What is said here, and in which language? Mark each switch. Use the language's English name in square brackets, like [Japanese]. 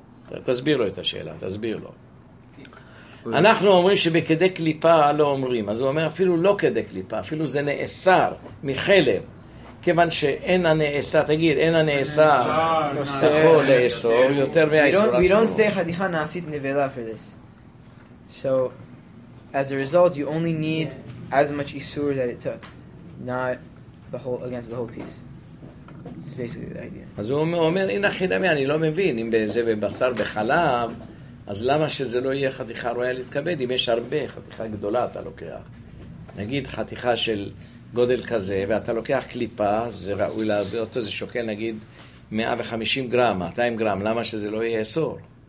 [Hebrew] כן. תסביר לו את השאלה, תסביר לו. אנחנו אומרים שבכדי קליפה לא אומרים, אז הוא אומר אפילו לא כדי קליפה, אפילו זה נאסר מחלב, כיוון שאין הנאסר, תגיד, אין הנאסר נוסחו לאסור יותר מהאסור. [English] We don't say חתיכה נעשית נבלה for this. So, as a result, you only need as much איסור that it took, not against the whole piece. It's basically the idea. [Hebrew] אז הוא אומר, הנה חידמי, אני לא מבין, אם זה בבשר בחלב, אז למה שזה לא יהיה חתיכה רואה להתכבד? אם יש הרבה חתיכה גדולה אתה לוקח. נגיד חתיכה של גודל כזה, ואתה לוקח קליפה, זה ראוי להביא אותו, זה שוקל נגיד 150 גרם, 200 גרם, למה שזה לא יהיה עשור?